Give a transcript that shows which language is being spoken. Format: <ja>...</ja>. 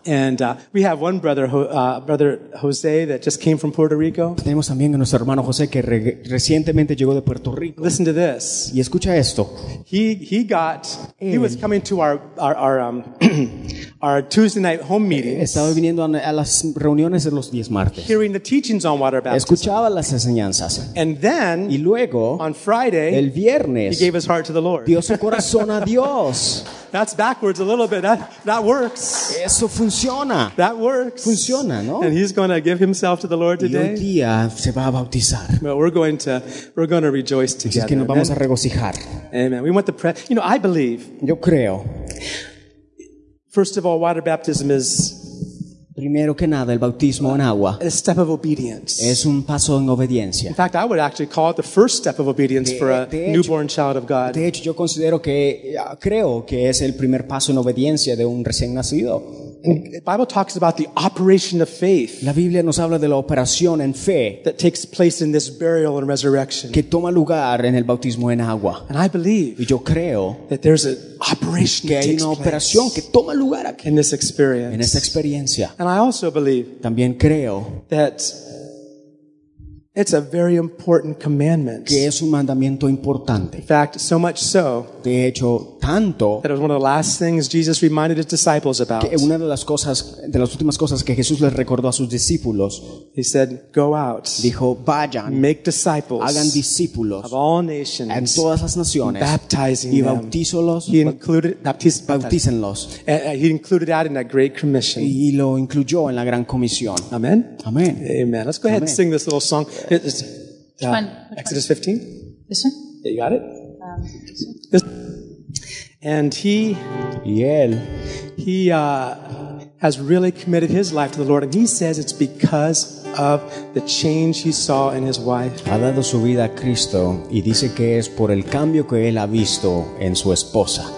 <en>And we have one brother, brother Jose, that just came from Puerto Rico.</en> <es>Tenemos también a nuestro hermano José que recientemente llegó de Puerto Rico.</es> <en>Listen to this.</en> <es>Y escucha esto.</es> <en>He got. Él. He was coming to our our Tuesday night home meetings.</en> <es>Estaba viniendo a las reuniones de los 10 martes.</es> <en>Hearing the teachings on water baptism.</en> <es>Escuchaba las enseñanzas.</es> <en>And then.</en> <es>Y luego.</es> <en>On Friday.</en> <es>El viernes.</es> <en>He gave his heart to the Lord.</en> <es>Dio su corazón a Dios.</es> <en>That's backwards a little bit. That works.</en> <es>Eso funciona.</es> <en>That works.</en> <es>Funciona, ¿no?</es> <en>And he's going to give himself to the Lord today.</en> <es>Y un día se va a bautizar.</es> <en>But we're going to rejoice together.</en> <es>Es que nos vamos a regocijar.</es> <en>Amen. We want the prayer. You know, I believe.</en> <es>Yo creo.</es> <en>First of all, water baptism is.</en> <es>Primero que nada, el bautismo en agua.</es> <en>A step of obedience.</en> <es>Es un paso en obediencia.</es> <en>In fact, I would actually call it the first step of obedience for a newborn child of God.</en> <es>De hecho, yo considero que creo que es el primer paso en obediencia de un recién nacido.</es> <en>The Bible talks about the operation of faith.</en> <es>La Biblia nos habla de la operación en fe.</es> <en>That takes place in this burial and resurrection.</en> <es>Que toma lugar en el bautismo en agua.</es> <en>And I believe.</en> <es>Y yo creo.</es> <en>That there's an operation</en> <es>que hay una operación que toma lugar aquí.</es> <en>In this experience.</en> <es>En esta experiencia.</es> <en>And I also believe.</en> <es>También creo.</es> <en>That it's a very important commandment.</en> <es>Que es un mandamiento importante.</es> <en>In fact, so much so.</en> <es>De hecho, tanto.</es> <en>That it was one of the last things Jesus reminded his disciples about.</en> <es>Que una de las últimas cosas que Jesús les recordó a sus discípulos.</es> <en>He said, "Go out."</en> <es>Dijo, vayan.</es> <en>Make disciples.</en> <es>Hagan discípulos.</es> <en>Of all nations.</en> <es>En todas las naciones.</es> <en>Baptizing</en> <es>y bautízolos.</es> <en>He included</en> <es>bautízenlos.</es> <en>He included that in that great commission.</en> <es>Y lo incluyó en la gran comisión.</es> <en>Amen. Amen. Amen. Let's go ahead and sing this little song. It's Exodus 15. This one? Yeah, you got it? This one. And he. Yel. He has really committed his life to the Lord, and he says it's because of the change he saw in his wife.</en> <es>Ha dado su vida a Cristo, y dice que es por el cambio que él ha visto en su esposa.</es>